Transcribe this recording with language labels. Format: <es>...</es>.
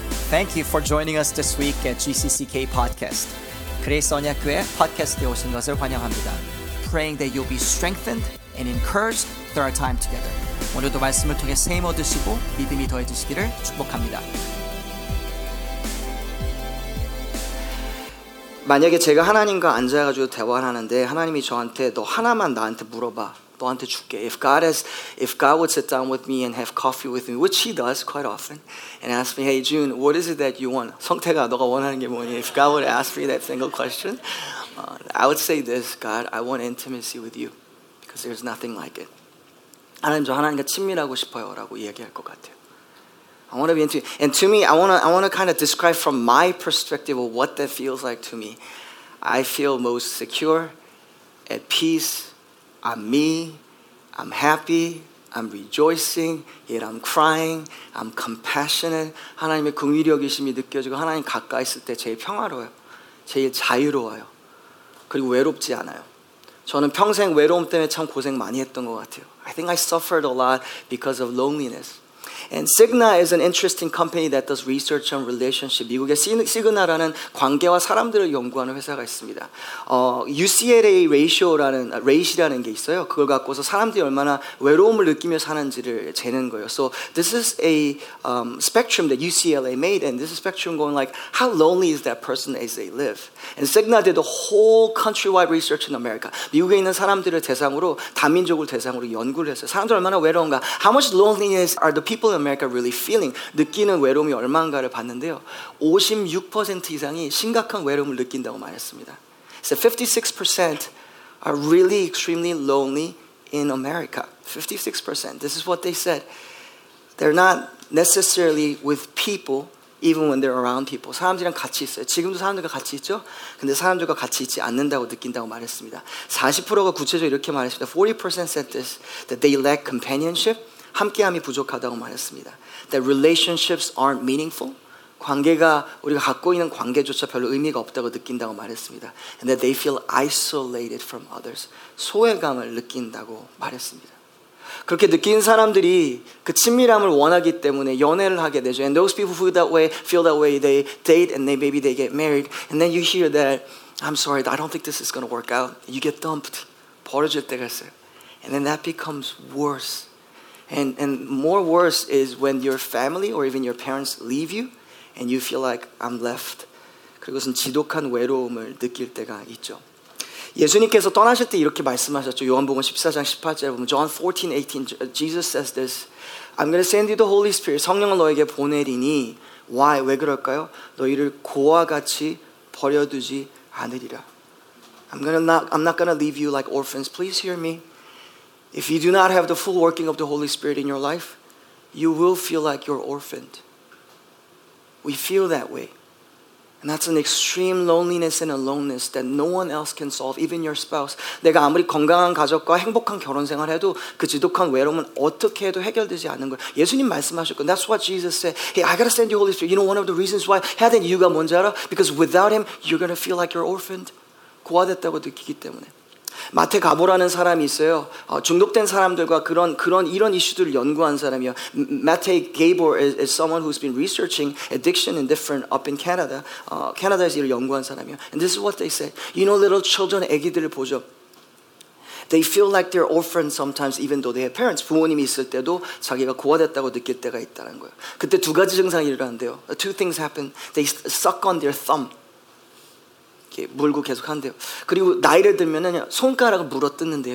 <en>Thank you for joining us this week at GCCK Podcast.</en> <ko>그레이스 언약교회 팟캐스트에 오신 것을 환영합니다.</ko> <en>Praying that you'll be strengthened and encouraged through our time together.</en> <ko>오늘도 말씀을 통해 세임 얻으시고 믿음이 더해지시기를 축복합니다. 만약에 제가 하나님과 앉아가지고 대화를 하는데 하나님이 저한테 너 하나만 나한테 물어봐. 너한테 줄게.</ko> <en>If God would sit down with me and have coffee with me, which he does quite often, and ask me, hey, June, what is it that you want?</en> <ko>성태가 너가 원하는 게 뭐니?</ko> <en>If God would ask me that single question, I would say this, God, I want intimacy with you because there's nothing like it.</en> <ko>나는 저 하나님과 친밀하고 싶어요 라고 얘기할 것 같아요.</ko> <en>I want to be into you. And to me, I want to kind of describe from my perspective of what that feels like to me. I feel most secure, at peace, I'm me, I'm happy, I'm rejoicing, yet I'm crying, I'm compassionate.</en> <ko>하나님의 긍휼히 여기심이 느껴지고 하나님 가까이 있을 때 제일 평화로워요. 제일 자유로워요. 그리고 외롭지 않아요. 저는 평생 외로움 때문에 참 고생 많이 했던 것 같아요.</ko> <en>I think I suffered a lot because of loneliness. And Cigna is an interesting company that does research on relationship.</en> <ko>미국에 Cigna라는 관계와 사람들을 연구하는 회사가 있습니다. UCLA ratio라는 rate라는 게 있어요. 그걸 갖고서 사람들이 얼마나 외로움을 느끼며 사는지를 재는 거예요.</ko> <en>So this is a spectrum that UCLA made, and this is a spectrum going like how lonely is that person as they live. And Cigna did a whole countrywide research in America.</en> <ko>미국에 있는 사람들을 대상으로 다민족을 대상으로 연구를 했어요. 사람들 얼마나 외로운가?</ko> <en>How much loneliness are the people in America really feeling,</en> <ko>느끼는 외로움이 얼마인가를 봤는데요. 56% 이상이 심각한 외로움을 느낀다고 말했습니다.</ko> <en>So 56% are really extremely lonely in America. 56%. This is what they said. They're not necessarily with people, even when they're around people.</en> <ko>사람들이랑 같이 있어요. 지금도 사람들과 같이 있죠? 근데 사람들과 같이 있지 않는다고 느낀다고 말했습니다. 40%가 구체적으로 이렇게 말했습니다.</ko> <en>40% said this, that they lack companionship,</en> <ko>함께함이 부족하다고 말했습니다.</ko> <en>That relationships aren't meaningful.</en> <ko>관계가 우리가 갖고 있는 관계조차 별로 의미가 없다고 느낀다고 말했습니다.</ko> <en>And that they feel isolated from others.</en> <ko>소외감을 느낀다고 말했습니다. 그렇게 느낀 사람들이 그 친밀함을 원하기 때문에 연애를 하게 되죠.</ko> <en>And those people who that way feel that way, they date and maybe they get married. And then you hear that, I'm sorry, I don't think this is going to work out. You get dumped.</en> <ko>버려질 때가 있어요.</ko> <en>And then that becomes worse. And more worse is when your family or even your parents leave you and you feel like I'm left.</en> <ko>그것은 지독한 외로움을 느낄 때가 있죠. 예수님께서 떠나실 때 이렇게 말씀하셨죠. 요한복음 14장 18절에 보면</ko> <en>John 14:18 Jesus says this. I'm going to send you the Holy Spirit.</en> <ko>성령을 너에게 보내리니 why 왜 그럴까요? 너희를 고아 같이 버려두지 않으리라.</ko> <en>I'm not going to leave you like orphans. Please hear me. If you do not have the full working of the Holy Spirit in your life, you will feel like you're orphaned. We feel that way. And that's an extreme loneliness and aloneness that no one else can solve, even your spouse.</en> <ko>내가 아무리 건강한 가족과 행복한 결혼 생활 해도 그 지독한 외로움은 어떻게 해도 해결되지 않는 거예요. 예수님 말씀하셨고,</ko> <en>that's what Jesus said. Hey, I gotta send you Holy Spirit. You know one of the reasons why?</en> <ko>해야 되는 이유가 뭔지 알아?</ko> <en>Because without him, you're gonna feel like you're orphaned.</en> <ko>고아됐다고 느끼기 때문에. 마테 가보라는 사람이 있어요. 중독된 사람들과 그런 이런 이슈들을 연구한 사람이요.</ko> <en>Mate Gabor is someone who's been researching addiction in different up in Canada.</en> <ko>Canada에서 이를 연구한 사람이요.</ko> <en>And this is what they say. You know little children,</en> <ko>아기들을 보죠.</ko> <en>They feel like they're orphans sometimes even though they have parents.</en> <ko>부모님이 있을 때도 자기가 고아됐다고 느낄 때가 있다는 거예요. 그때 두 가지 증상이 일어난대요.</ko> <en>Two things happen. They suck on their thumb.</en> <ko>이렇게 물고 계속 한대요. 그리고 나이를 들면은 손가락을 물어뜯는데요.</ko>